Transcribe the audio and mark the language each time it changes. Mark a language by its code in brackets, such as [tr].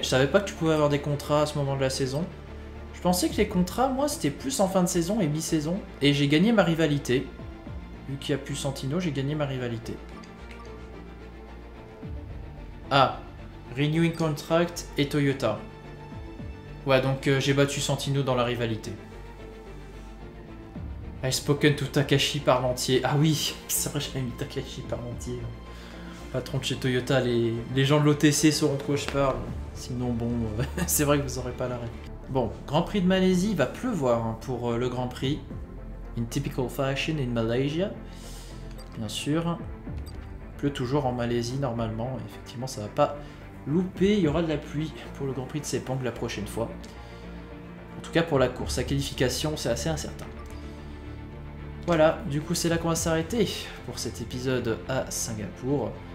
[fr] Je savais pas que tu pouvais avoir des contrats à ce moment de la saison. Je pensais que les contrats, moi, c'était plus en fin de saison et mi-saison. Et j'ai gagné ma rivalité. Vu qu'il n'y a plus Santino, j'ai gagné ma rivalité. Ah! Renewing Contract et Toyota. Ouais, donc j'ai battu Santino dans la rivalité. [en] I've spoken to Takashi Parmentier. [fr] Ah oui, c'est vrai, j'avais mis Takashi Parmentier. Patron de chez Toyota, les gens de l'OTC sauront de quoi je parle. Sinon, bon, c'est vrai que vous n'aurez pas l'arrêt. Bon, Grand Prix de Malaisie, il va pleuvoir hein, pour le Grand Prix. [en] In typical fashion in Malaysia. [fr] Bien sûr. Il pleut toujours en Malaisie, normalement. Effectivement, ça va pas... loupé, il y aura de la pluie pour le Grand Prix de Sepang la prochaine fois. En tout cas pour la course, la qualification c'est assez incertain. Voilà, du coup c'est là qu'on va s'arrêter pour cet épisode à Singapour.